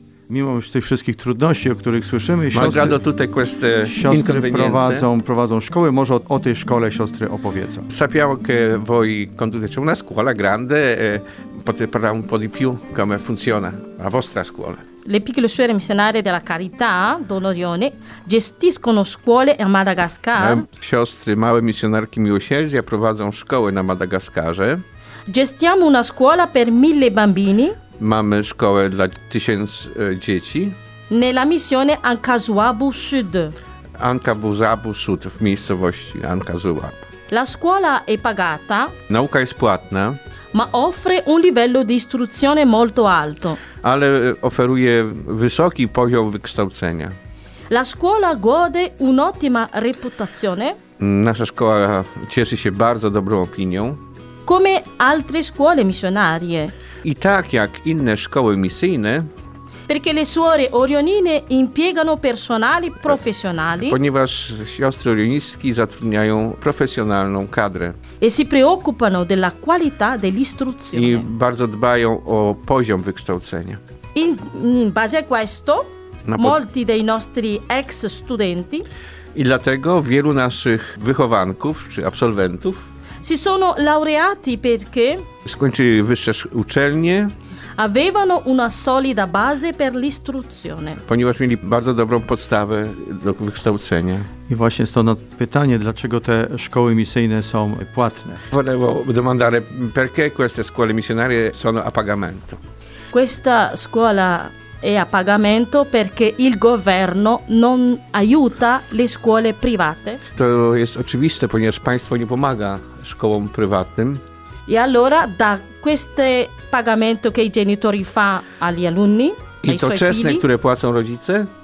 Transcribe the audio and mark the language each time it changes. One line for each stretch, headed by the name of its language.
Polish: mimo tych wszystkich trudności, o których słyszymy, siostry prowadzą szkoły. Może o tej szkole siostry opowiedzą.
Italian: Sappiamo che voi conducete una scuola grande, potete parlare un po' di più come funziona la vostra scuola. Le piccole suore missionarie della Carità, Don Orione, gestiscono scuole a Madagascar.
Polish: Siostry, małe misjonarki miłosierdzia, prowadzą szkoły na Madagaskarze.
Italian: Gestiamo una scuola per 1000 bambini.
Polish: Mamy szkołę dla 1000 dzieci.
Italian: Nella missione Ankazuabu Sud.
Polish: Ankazuabu Sud, w miejscowości Ankazuab.
Italian: La scuola è pagata.
Polish: Nauka jest płatna.
Italian: Ma offre un livello di istruzione molto alto.
Polish: Ale oferuje wysoki poziom wykształcenia.
Italian: La scuola gode un'ottima reputazione.
Polish: Nasza szkoła cieszy się bardzo dobrą opinią.
Italian: Come altre scuole missionarie.
Polish: I tak jak inne szkoły misyjne.
Italian: Perché le suore orionine impiegano personali professionali.
Polish: Ponieważ siostry orioniski zatrudniają profesjonalną kadrę.
Italian: E si preoccupano della qualità dell'istruzione.
Polish: I bardzo dbają o poziom wykształcenia.
Italian: In base a questo, molti dei nostri ex studenti.
Polish: I dlatego wielu naszych wychowanków czy absolwentów.
Italian: Si sono laureati perché.
Polish: Skończyli wyższe uczelnie.
Italian: Avevano una solida base per l'istruzione.
Polish: Ponieważ mieli bardzo dobrą podstawę do wykształcenia. I właśnie stąd pytanie, dlaczego te szkoły misyjne są płatne.
Italian: Volevo domandare perché queste scuole missionarie sono a pagamento. Questa scuola è a pagamento perché il governo non aiuta le scuole private.
Polish: To jest oczywiste, ponieważ państwo nie pomaga szkołom prywatnym.
Italian: E allora da questo pagamento che i genitori fa agli alunni,
Polish: i to czesne, które płacą rodzice,